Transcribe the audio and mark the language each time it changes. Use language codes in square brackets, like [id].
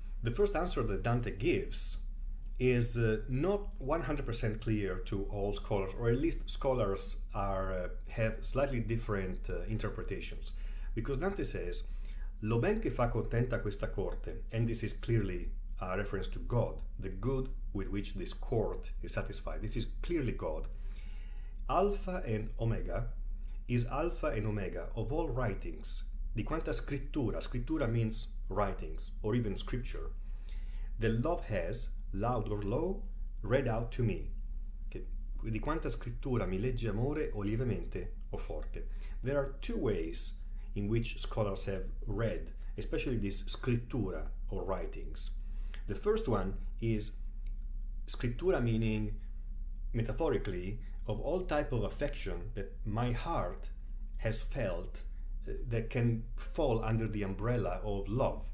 [en] The first answer that Dante gives is not 100% clear to all scholars, or at least scholars have slightly different interpretations, because Dante says, [it] lo ben che fa contenta questa corte, [en] and this is clearly a reference to God, the good with which this court is satisfied. This is clearly God. Alpha and Omega is Alpha and Omega of all writings, [it] di quanta scrittura, [en] scrittura means writings, or even scripture, the love has, loud or low, read out to me. Okay. [it] Di quanta scrittura mi legge amore o lievemente o forte. [en] There are two ways in which scholars have read, especially this scrittura or writings. The first one is scrittura meaning, metaphorically, of all type of affection that my heart has felt that can fall under the umbrella of love.